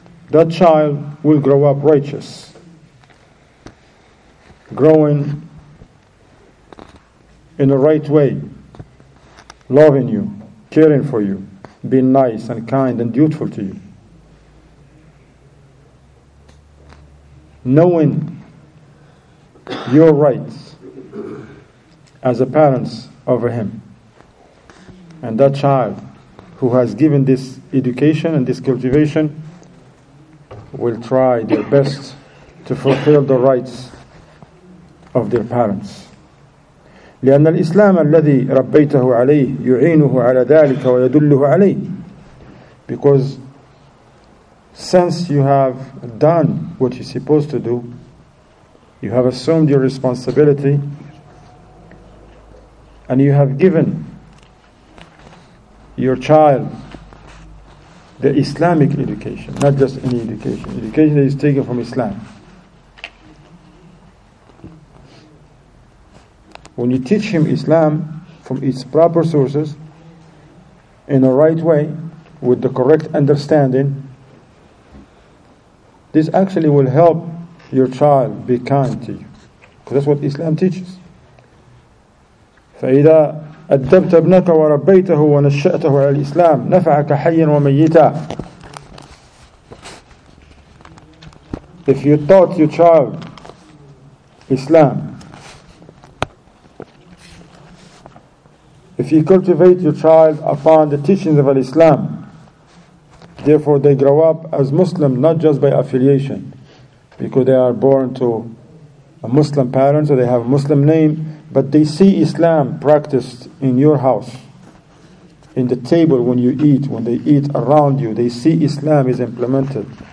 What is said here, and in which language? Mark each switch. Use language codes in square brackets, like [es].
[en] that child will grow up righteous, growing in the right way, loving you, caring for you, being nice and kind and dutiful to you, knowing your rights as a parent over him. And that child who has given this education and this cultivation will try their best to fulfill the rights of their parents. [ar] لأن الإسلام الذي ربيته عليه يعينه على ذلك ويدله عليه. [en] Because since you have done what you're supposed to do, you have assumed your responsibility, and you have given your child the Islamic education, not just any education, education that is taken from Islam. When you teach him Islam from its proper sources, in the right way, with the correct understanding, this actually will help your child be kind to you. Because that's what Islam teaches. [ar] فإذا أدبت ابنك وربيته ونشأته على الإسلام نفعك حيا وميتا. [en] If you taught your child Islam, if you cultivate your child upon the teachings of Islam, therefore they grow up as Muslim, not just by affiliation, because they are born to a Muslim parent, so they have a Muslim name, but they see Islam practiced in your house, in the table when you eat, when they eat around you, they see Islam is implemented.